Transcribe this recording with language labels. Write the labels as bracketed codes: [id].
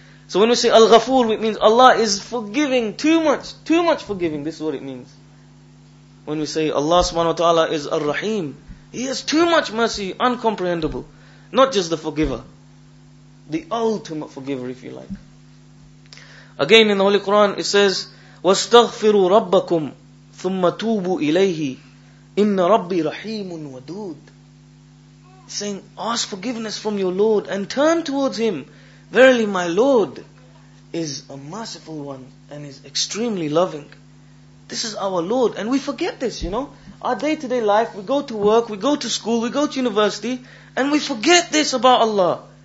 [en] So when we say Al-Ghafoor, it means Allah is forgiving too much forgiving. This is what it means. When we say Allah subhanahu wa ta'ala is Ar-Rahim, He has too much mercy, uncomprehendable. Not just the forgiver, the ultimate forgiver, if you like. Again in the Holy Quran it says, [ar] وَاسْتَغْفِرُوا رَبَّكُمْ ثُمَّ تُوبُوا إِلَيْهِ إِنَّ رَبِّي رَحِيمٌ وَدُودٌ. [en] Saying, ask forgiveness from your Lord and turn towards Him. Verily my Lord is a merciful one and is extremely loving. This is our Lord, and we forget this, you know. Our day-to-day life, we go to work, we go to school, we go to university, and we forget this about Allah.